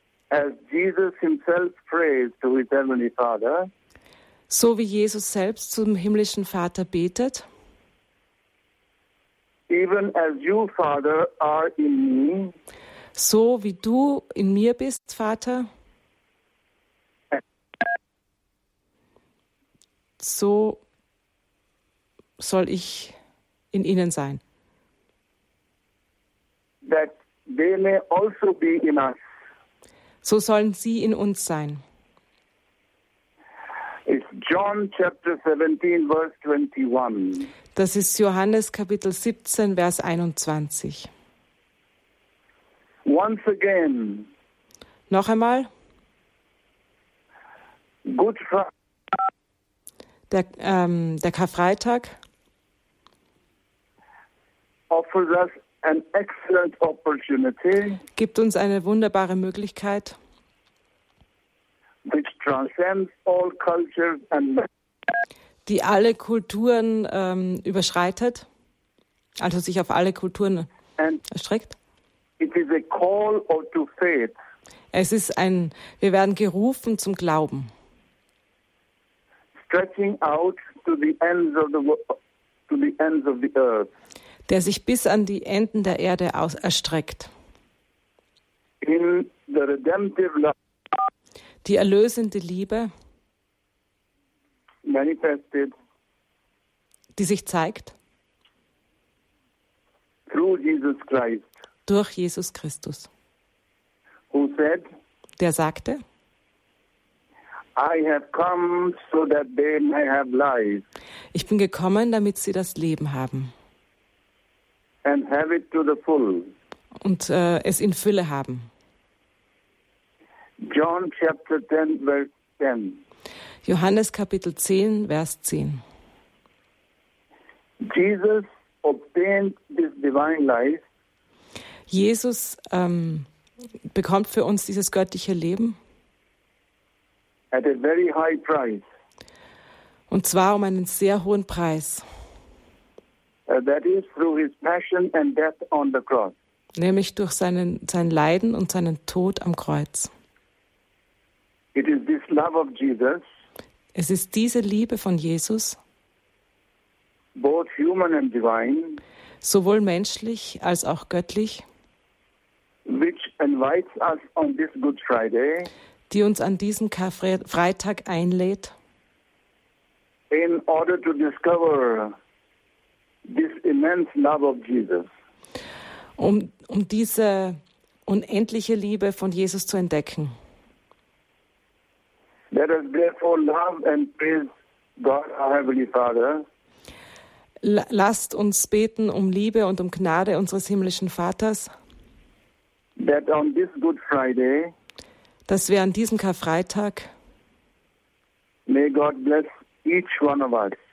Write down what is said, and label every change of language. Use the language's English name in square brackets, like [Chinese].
[English] As Jesus himself prays to his heavenly Father. [German] So wie Jesus selbst zum himmlischen Vater betet. [English] Even as you, Father, are in me, [German] so wie du in mir bist, Vater. So soll ich in ihnen sein. [English] That they may also be in us. [German] So sollen sie in uns sein. [English] John chapter 17 verse 21. [German] Das ist Johannes Kapitel 17 Vers 21. [English] Once again. [German] Noch einmal. [English] Good Friday. [German] Der Karfreitag [English] offers us an excellent opportunity. [German] Gibt uns eine wunderbare Möglichkeit. [English] Which transcends all cultures and [German] die alle Kulturen überschreitet, also sich auf alle Kulturen erstreckt. [English] It is a call or to faith. [German] Es ist ein, wir werden gerufen zum Glauben. [English] Stretching out to the ends of the world, to the ends of the earth. [German] Der sich bis an die Enden der Erde erstreckt. [English] In the redemptive love. [German] Die erlösende Liebe, [English] manifested, [German] die sich zeigt [English] through Jesus Christ, [German] durch Jesus Christus, [English] who said, [German] der sagte, [English] I have come so that they may have life, [German] ich bin gekommen, damit sie das Leben haben [English] and have it to the full, [German] und es in Fülle haben. [English] John chapter 10 verse 10. [German] Johannes Kapitel 10 Vers 10. [English] Jesus obtained this divine life. [German] Jesus bekommt für uns dieses göttliche Leben. [English] At a very high price. [German] Und zwar um einen sehr hohen Preis. [English] That is through his passion and death on the cross. [German] Nämlich durch sein Leiden und seinen Tod am Kreuz. [English] It is this love of Jesus, [German] es ist diese Liebe von Jesus, [English] both human and divine, [German] sowohl menschlich als auch göttlich, [English] which invites us on this Good Friday, [German] die uns an diesem Karfreitag einlädt, [English] in order to discover this immense love of Jesus. [German] Um diese unendliche Liebe von Jesus zu entdecken. [English] Let us therefore love and praise God, our Heavenly Father. [German] Lasst uns beten um Liebe und um Gnade unseres himmlischen Vaters. [English] That on this Good Friday, [German] dass wir an diesem Karfreitag, [English] may God bless each one of us.